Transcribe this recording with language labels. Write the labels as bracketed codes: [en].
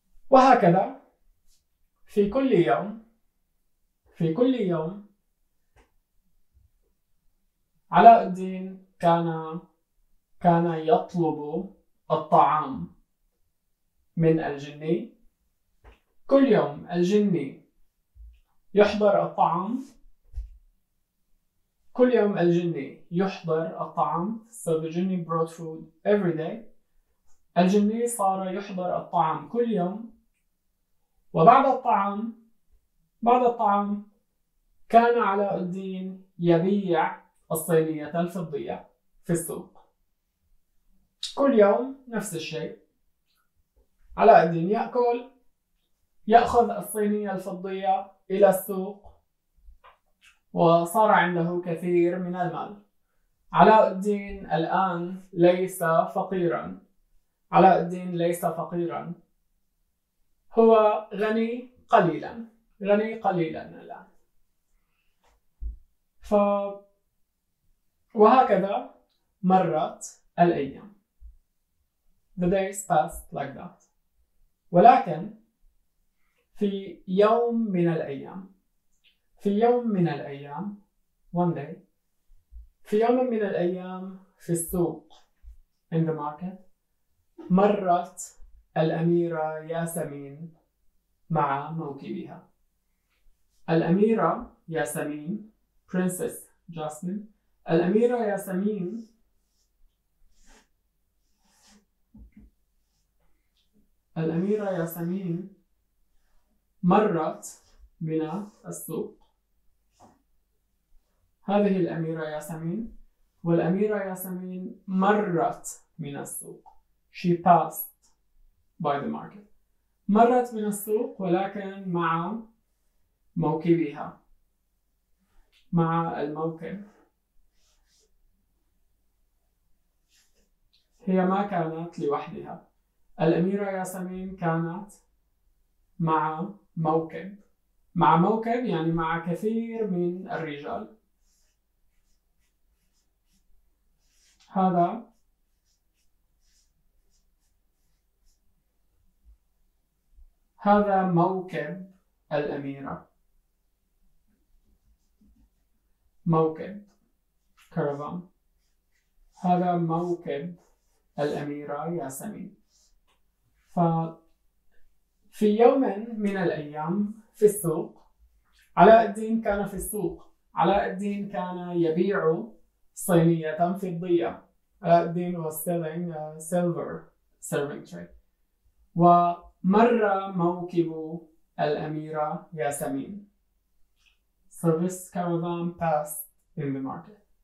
[ar] وهكذا في كل يوم، في كل يوم علاء الدين كان يطلب الطعام من الجني. كل يوم الجني يحضر الطعام، كل يوم الجني يحضر الطعام. [en] So the genie brought food every day. [ar] الجني صار يحضر الطعام كل يوم. وبعد الطعام، بعد الطعام كان علاء الدين يبيع الصينية الفضية في السوق. كل يوم نفس الشيء، علاء الدين يأكل، يأخذ الصينية الفضية إلى السوق، وصار عنده كثير من المال. علاء الدين الآن ليس فقيرا، علاء الدين ليس فقيرا، هو غني قليلا، غني قليلا الآن. وهكذا مرت الأيام. [en] The days passed like that. [ar] ولكن في يوم من الأيام، في يوم من الأيام، [en] one day، [ar] في يوم من الأيام في السوق، [en] in the market، [ar] مرت الأميرة ياسمين مع موكبها. الأميرة ياسمين، Princess Jasmine، الأميرة ياسمين الأميرة ياسمين مرت من السوق. هذه الأميرة ياسمين، والأميرة ياسمين مرت من السوق. [en] She passed by the market. [ar] مرت من السوق ولكن مع موكبها، مع الموكب. هي ما كانت لوحدها. الأميرة ياسمين كانت مع موكب، مع موكب يعني مع كثير من الرجال. هذا هذا موكب الأميرة، موكب كرفان. هذا موكب الأميرة ياسمين. في يوم من الأيام في السوق، علاء الدين كان في السوق، علاء الدين كان يبيع صينية فضية. [en] علاء الدين was selling a silver serving tray. [ar] ومر موكب الأميرة ياسمين. [en] So this caravan passed in the market.